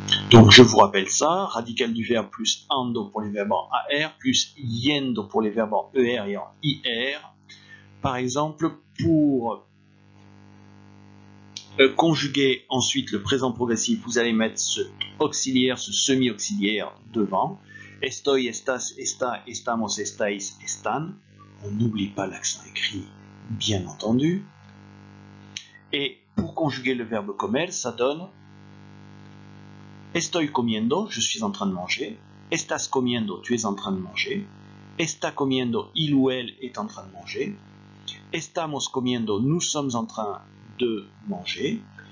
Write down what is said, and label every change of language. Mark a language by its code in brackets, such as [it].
[fr] Donc je vous rappelle ça, radical du verbe plus ando pour les verbes en AR plus yendo pour les verbes en ER et en IR. Par exemple, pour conjuguer ensuite le présent progressif, vous allez mettre ce auxiliaire, ce semi-auxiliaire devant. [es] Estoy, estás, está, estamos, estáis, están. [fr] On n'oublie pas l'accent écrit, bien entendu. Et pour conjuguer le verbe comer, ça donne... [es] Estoy comiendo, [fr] je suis en train de manger. [es] Estás comiendo, [fr] tu es en train de manger. [es] Está comiendo, [fr] il ou elle est en train de manger. [es] Estamos comiendo, [fr] nous sommes en train de manger.